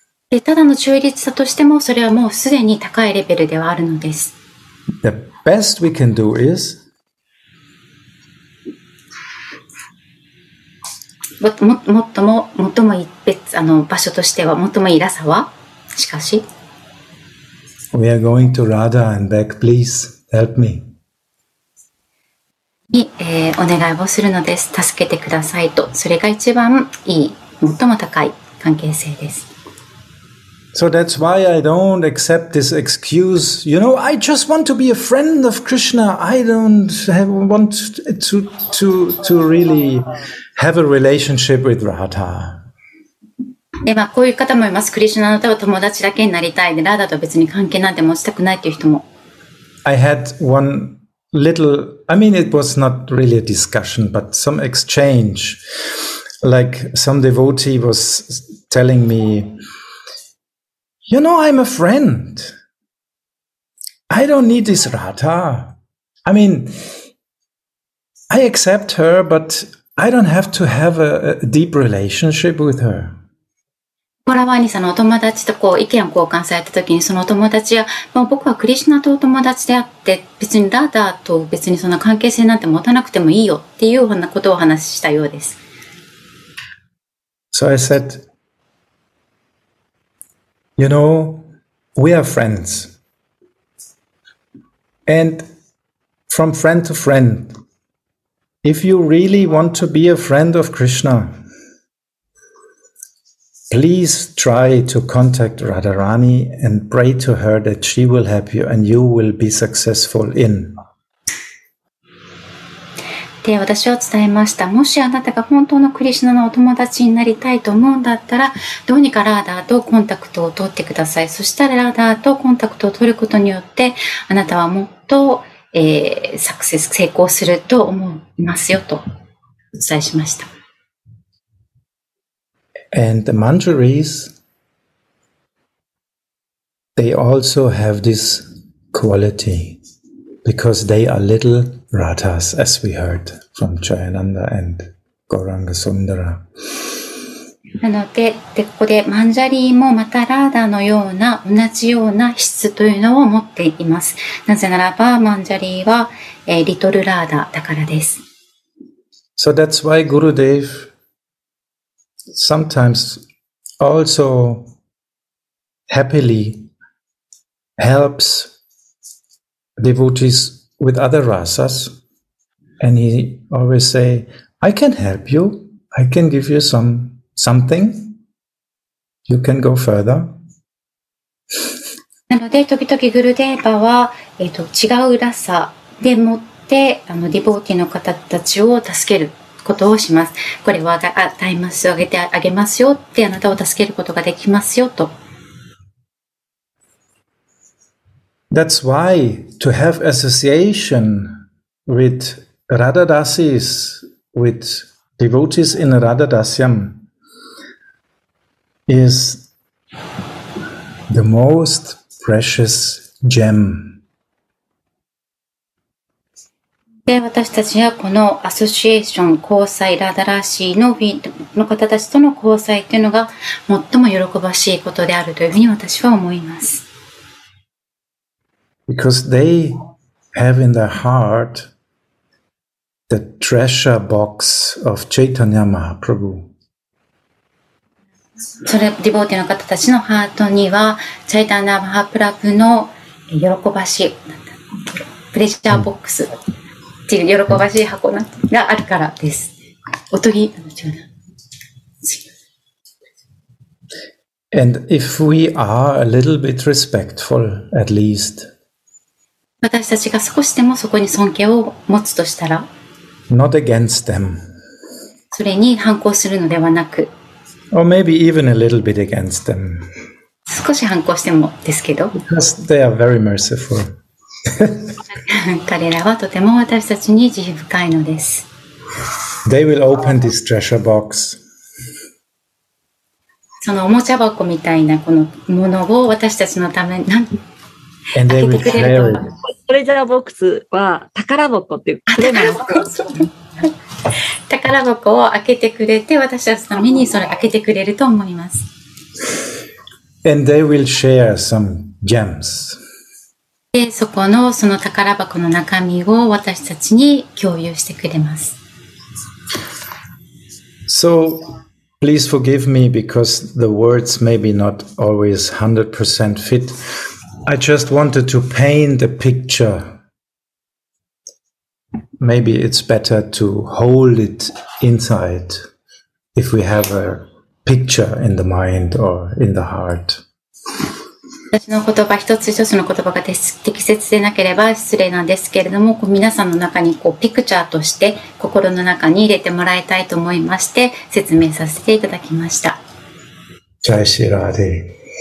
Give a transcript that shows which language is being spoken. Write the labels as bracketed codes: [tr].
[ja] で、ただの中立だとしても、それはもうすでに高いレベルではあるのです。 [en] The best we can do is [ja] もっともいい別あの場所としては、最もいいらさは、しかし、 [en] We are going to Radha and back, please help me. [ja] に、お願いをするのです。助けてくださいと。それが一番いい、最も高い関係性です。 [en] So that's why I don't accept this excuse. You know, I just want to be a friend of Krishna. I don't have, want to really have a relationship with Radha. [ja] で、まあ、こういう方もいます。クリシュナのとは友達だけになりたい。で、ラダと別に関係なんて持ちたくないという人も。 [en] I had one little, I mean, it was not really a discussion, but some exchange. Like some devotee was telling me,You know, I'm a friend. I don't need this Radha. I mean, I accept her, but I don't have to have a deep relationship with her. [ja] モラワーニさんのお友達とこう意見を交換されたときに、そのお友達は、もう僕はクリシュナとお友達であって、別にラダと別にそんな関係性なんて持たなくてもいいよっていうようなことをお話ししたようです。 [en] So I said,You know, we are friends. And from friend to friend, if you really want to be a friend of Krishna, please try to contact Radharani and pray to her that she will help you and you will be successful in. [ja] で私は伝えました。もしあなたが本当のクリシュナのお友達になりたいと思うんだったら、どうにかラーダーとコンタクトを取ってください。そしたらラーダーとコンタクトを取ることによって、あなたはもっと、サクセス、成功すると思いますよとお伝えしました。 [en] And the Manjaris, they also have this quality. Because they are little Radhas, as we heard from Jayananda and Gauranga Sundara. [ja] なので、でここでマンジャリーもまたラーダのような同じような質というのを持っています。なぜならば、マンジャリーは、リトルラーダだからです。 [en] So that's why Gurudev sometimes also happily helps. Devotees with other rasas, and he always say, "I can help you. I can give you something. You can go further." [ja] なので、時々グルデーバは、違うラサでもってあのディボーティの方たちを助けることをします。これはあタイマスをあげてあげますよってあなたを助けることができますよと。 [en] That's why to have association with Radhadasis, with devotees in Radhadasyam, is the most precious gem. [ja] で、私たちはこのアソシエーション、交際、ラダラシーの方たちとの交際というのが最も喜ばしいことであるというふうに私は思います。 [en] Because they have in their heart the treasure box of Chaitanya Mahaprabhu. [ja] それ、ディボーティの方たちのハートには、チャイタニャ・マハプラブの喜ばしい、プレジャーボックス、ちに喜ばしい箱があるからです。おとぎ、あの、違うな。 [en] And if we are a little bit respectful, at least. [ja] 私たちが少しでもそこに尊敬を持つとしたら。 [en] Not against them. [ja] それに反抗するのではなく。 [en] Or maybe even a little bit against them. [ja] 少し反抗してもですけど。 [en] Because they are very merciful. [ja] 彼らはとても私たちに慈悲深いのです。 [en] They will open this treasure box. [ja] そのおもちゃ箱みたいなこのものを私たちのため何開けてくれると思う。トレジャーボックスは宝箱っていう。宝箱。宝箱を開けてくれて私たちのためにそれ開けてくれると思います。 [en] And they will share some gems. [ja] でそこのその宝箱の中身を私たちに共有してくれます。 [en] So please forgive me because the words maybe not always 100% fit. I just wanted to paint a picture. Maybe it's better to hold it inside if we have a picture in the mind or in the heart. [ja] 私の言葉一つ一つの言葉が適切でなければ失礼なんですけれども、こう皆さんの中にこうピクチャーとして心の中に入れてもらいたいと思いまして説明させていただきました。ジャイシラーデ